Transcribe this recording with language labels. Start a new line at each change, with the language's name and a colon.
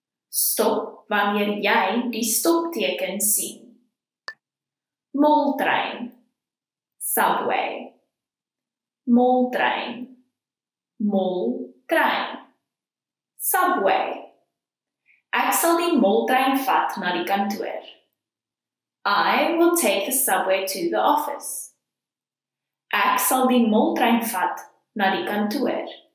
Afrikaans: Stop wanneer jy die stopteken sien. Moltrein. Subway. Moltrein. Moltrein. Subway. Ek sal die moltrein vat na die kantoor.
English: I will take the subway to the office.
Afrikaans: Ek sal die moltrein vat na die kantoor.